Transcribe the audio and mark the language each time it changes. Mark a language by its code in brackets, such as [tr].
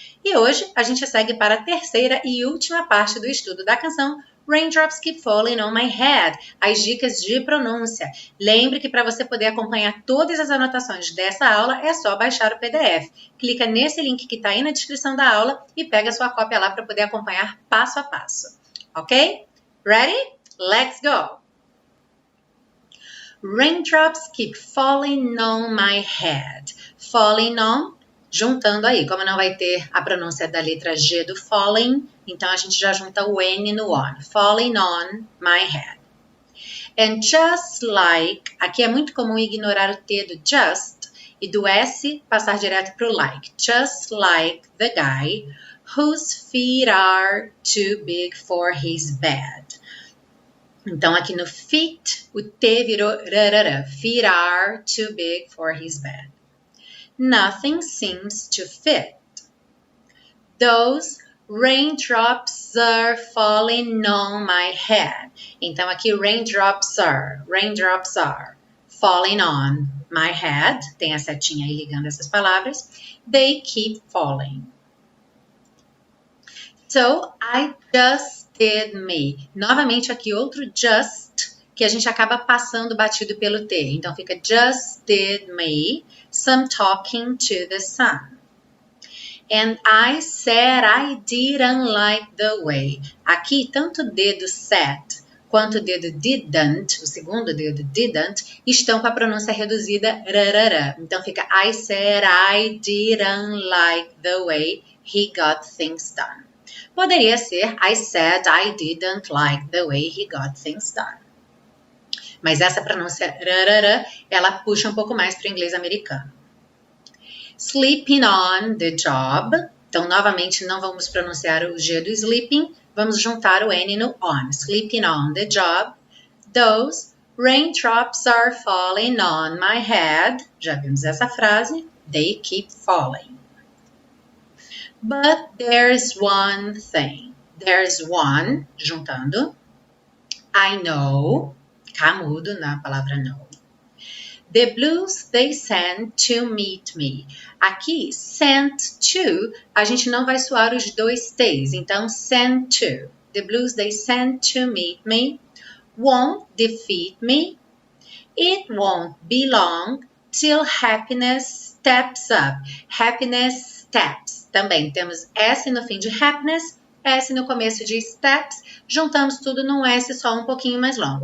[pt] E hoje a gente segue para a terceira e última parte do estudo da canção Raindrops Keep Falling on My Head, as dicas de pronúncia. Lembre que para você poder acompanhar todas as anotações dessa aula é só baixar o PDF. Clica nesse link que está aí na descrição da aula e pega a sua cópia lá para poder acompanhar passo a passo. [en] Ok? Ready? Let's go! Raindrops keep falling on my head. Falling on. [pt] Juntando aí, como não vai ter a pronúncia da letra G do falling, então a gente já junta o N no on. [en] Falling on my head. And just like, [pt] aqui é muito comum ignorar o T do just e do S passar direto pro like. [en] Just like the guy whose feet are too big for his bed. [pt] Então aqui no feet, o T virou rarara. [en] Feet are too big for his bed. Nothing seems to fit. Those raindrops are falling on my head. [pt] Então aqui [en] raindrops are falling on my head. [pt] Tem a setinha aí ligando essas palavras. [en] They keep falling. So I just did me. [pt] Novamente aqui outro just que a gente acaba passando batido pelo T. Então fica [en] just did me. Some talking to the sun. And I said I didn't like the way. [pt] Aqui, tanto o dedo said quanto o dedo didn't, o segundo dedo didn't, estão com a pronúncia reduzida rarara. Então fica [en] I said I didn't like the way he got things done. Poderia ser I said I didn't like the way he got things done. [pt] Mas essa pronúncia rarara, ela puxa um pouco mais para o inglês americano. [en] Sleeping on the job. [pt] Então, novamente, não vamos pronunciar o G do sleeping. Vamos juntar o N no on. Sleeping on the job. [en] Those raindrops are falling on my head. [pt] Já vimos essa frase. [en] They keep falling. But there's one thing. There's one, juntando. I know. [pt] Camudo na palavra know. [en] The blues they sent to meet me. [pt] Aqui, sent to, a gente não vai soar os dois T's. Então, [en] sent to. The blues they sent to meet me. Won't defeat me. It won't be long till happiness steps up. Happiness steps. [pt] Também temos S no fim de happiness, S no começo de steps. Juntamos tudo num S só um pouquinho mais longo.